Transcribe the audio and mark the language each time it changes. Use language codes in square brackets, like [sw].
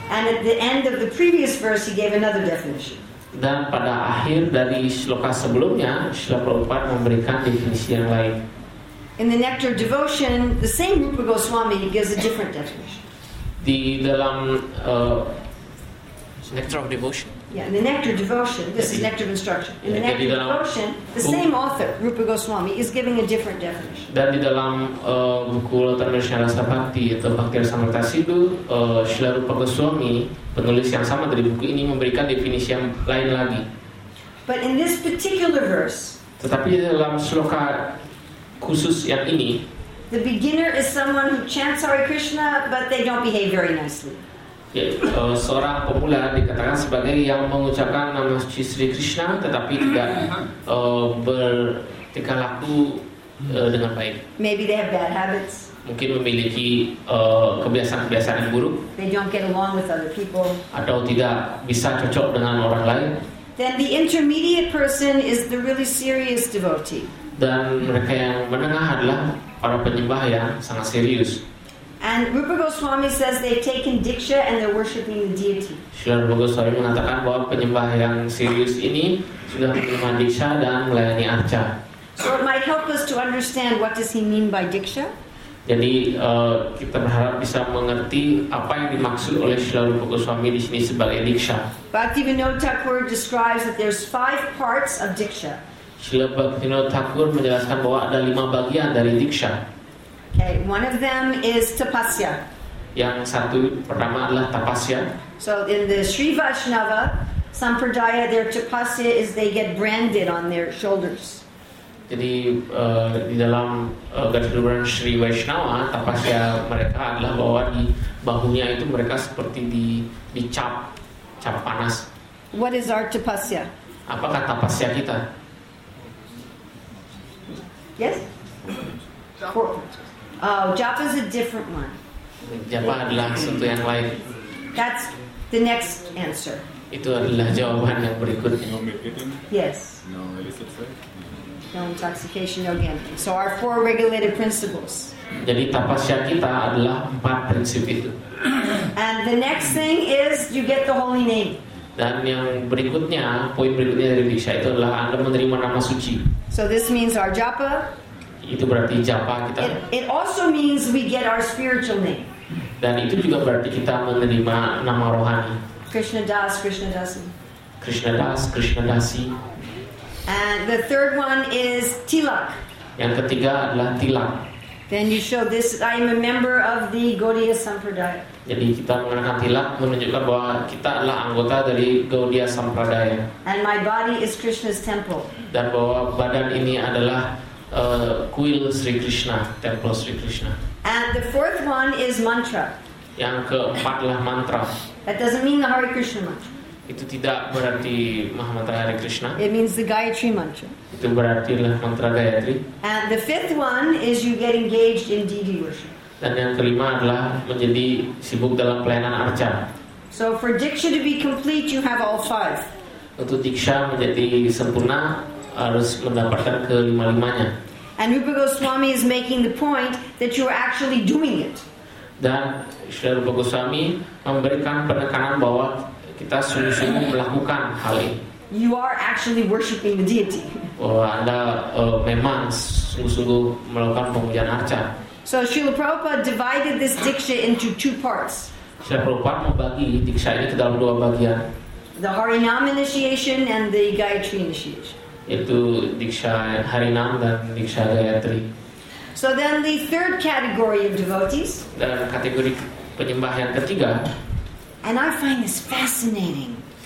[en] And at the end of the previous verse, he gave another definition. [id] Dan pada akhir dari sloka sebelumnya, Srila Prabhupada memberikan definisi yang lain. [en] In the nectar devotion, the same Rupa Goswami gives a different definition. [id] Di dalam [en] nectar of devotion. Yeah, in the nectar devotion, this is nectar of instruction. In the nectar [id] dalam, [en] devotion, the same author, Rupa Goswami, is giving a different definition. [id] Dan di dalam buku Lautan Rasa Bhakti atau Bhakti Rasamrita Sindhu, Srila Rupa Goswami, penulis yang sama dari buku ini, memberikan definisi yang lain lagi. [en] But in this particular verse, [id] tetapi di dalam sloka khusus yang ini, [en] the beginner is someone who chants Hare Krishna, but they don't behave very nicely. [id] Seorang pemula dikatakan sebagai yang mengucapkan nama Sri Krishna, tetapi tidak bertingkah laku dengan baik. [en] Maybe they have bad habits. [id] Mungkin memiliki kebiasaan-kebiasaan yang buruk. [en] They don't get along with other people. [id] Atau tidak bisa cocok dengan orang lain. [en] Then the intermediate person is the really serious devotee. [id] Dan mereka yang menengah adalah para penyembah yang sangat serius. [en] And Rupa Goswami says they've taken diksha and they're worshiping the deity. [id] Srila Rupa Goswami mengatakan bahwa penyembah yang serius ini sudah menerima diksha dan melayani arca. [en] So it might help us to understand what does he mean by diksha. [id] Jadi kita berharap bisa mengerti apa yang dimaksud oleh Srila Rupa Goswami di sini sebagai diksha. [en] Bhaktivinoda Thakur describes that there's 5 parts of diksha. [id] Srila Bhaktivinoda Thakur menjelaskan bahwa ada 5 bagian dari diksha. [en] Okay, one of them is tapasya. [id] Yang satu pertama adalah tapasya. [en] So in the Sri Vaishnava Sampradaya, their tapasya is they get branded on their shoulders. [id] Jadi di dalam garis Sri Vaishnava, tapasya mereka adalah bahwa di bahunya itu mereka seperti dicap panas. [en] What is our tapasya? [id] Apakah tapasya kita? [en] Yes? Japa is a different one. [id] Japa adalah sesuatu yang lain. [en] That's the next answer. [id] Itu adalah jawaban yang berikutnya. [en] No medication. Yes. No illicit sex. No intoxication. No gambling. So our 4 regulated principles. [id] Jadi tapasya kita adalah 4 prinsip itu. [en] And the next thing is you get the holy name. [id] Dan yang berikutnya, poin berikutnya dari diksha itu adalah Anda menerima nama suci. [en] So this means our japa. [id] Itu berarti japa kita. [en] It also means we get our spiritual name. [id] Dan itu juga berarti kita menerima nama rohani. [en] Krishna Das, Krishna Dasi. [id] Krishna Das, Krishna Dasi. [en] And the third one is Tilak. [id] Yang ketiga adalah Tilak. [en] Then you show this, I am a member of the Gaudiya Sampradaya. [id] Jadi kita mengenakan tilak menunjukkan bahwa kita adalah anggota dari Gaudiya Sampradaya. [en] And my body is Krishna's temple. [id] Dan bahwa badan ini adalah kuil Sri Krishna, temple Sri Krishna. [en] And the fourth one is mantra. [id] Yang keempatlah mantra. [en] That doesn't mean the Hare Krishna mantra. [id] Itu tidak berarti mahamantra Hare Krishna. [en] It means the Gayatri mantra. [id] Itu berarti lah mantra Gayatri. [en] And the fifth one is you get engaged in deity worship. [id] Dan yang kelima adalah menjadi sibuk dalam pelayanan arca. [en] So for diksha to be complete, you have all 5. [id] Untuk diksha menjadi sempurna, harus mendapatkan kelima-limanya. [en] And Rupa Goswami is making the point that you are actually doing it. [id] Dan Sri Rupa Goswami memberikan penekanan bahwa kita sungguh-sungguh melakukan hal ini. [en] You are actually worshiping the deity. [id] Bahwa Anda memang sungguh-sungguh melakukan pemujaan arca. [en] So Srila Prabhupada divided this diksha into two parts. [id] Srila Prabhupada membagi diksha ini ke dalam dua bagian. [en] The Harinam initiation and the Gayatri initiation. [id] Itu diksha Harinam dan diksha Gayatri. [en] So then the third category of devotees. [id] Dan kategori penyembah yang ketiga. [en] And I find this fascinating.